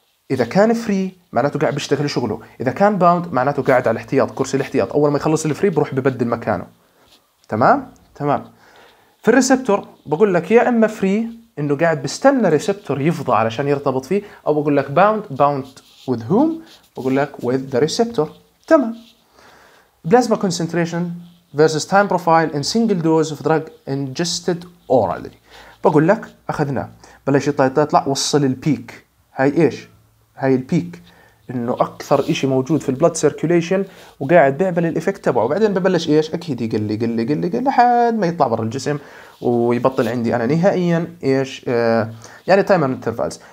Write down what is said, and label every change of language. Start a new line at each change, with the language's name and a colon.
Arabic: اذا كان فري معناته قاعد بيشتغل شغله، اذا كان باوند معناته قاعد على الاحتياط، كرسي الاحتياط، اول ما يخلص الفري بروح ببدل مكانه. تمام تمام. في الريسبتور بقول لك يا اما فري انه قاعد بيستنى ريسبتور يفضى علشان يرتبط فيه، او بقول لك باوند،
English: Bound with whom?
Arabic: بقول لك
English: With the receptor.
Arabic: تمام.
English: Plasma concentration versus time profile and single dose of drug ingested orally.
Arabic: بقول لك اخذناه، بلش يطلع وصل البيك. هاي ايش؟ هاي البيك، انه اكثر اشي موجود في البلد سيركيوليشن وقاعد بيعمل الايفكت تبعه، وبعدين ببلش ايش؟ اكيد يقل يقل يقل يقل لحد ما يطلع برا الجسم ويبطل عندي انا نهائيا ايش؟ يعني تايمر انترفالز.